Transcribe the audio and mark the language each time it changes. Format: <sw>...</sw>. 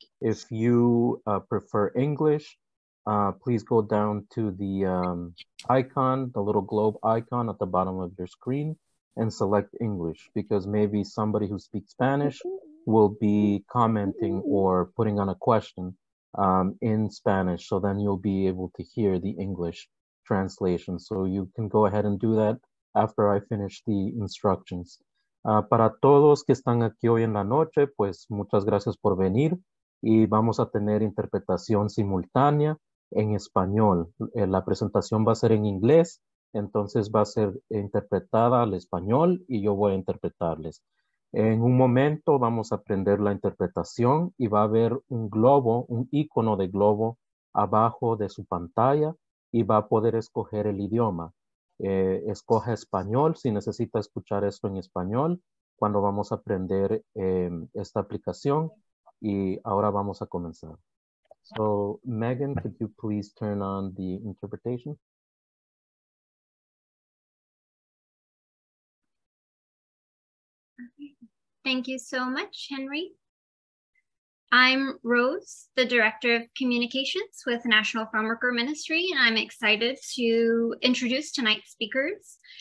<en>If you prefer English, please go down to the icon, the little globe icon at the bottom of your screen, and select English, because maybe somebody who speaks Spanish will be commenting or putting on a question in Spanish. So then you'll be able to hear the English translation. So you can go ahead and do that after I finish the instructions.</en> <es>Para todos que están aquí hoy en la noche, pues muchas gracias por venir. Y vamos a tener interpretación simultánea en español. La presentación va a ser en inglés, entonces va a ser interpretada al español y yo voy a interpretarles. En un momento vamos a aprender la interpretación y va a haber un globo, un icono de globo abajo de su pantalla y va a poder escoger el idioma. Escoja español si necesita escuchar esto en español cuando vamos a aprender esta aplicación. Y ahora vamos a comenzar.</es> <en>So, Megan, could you please turn on the interpretation? Thank you so much, Henry. I'm Rose, the Director of Communications with National Farm Worker Ministry, and I'm excited to introduce tonight's speakers.</en>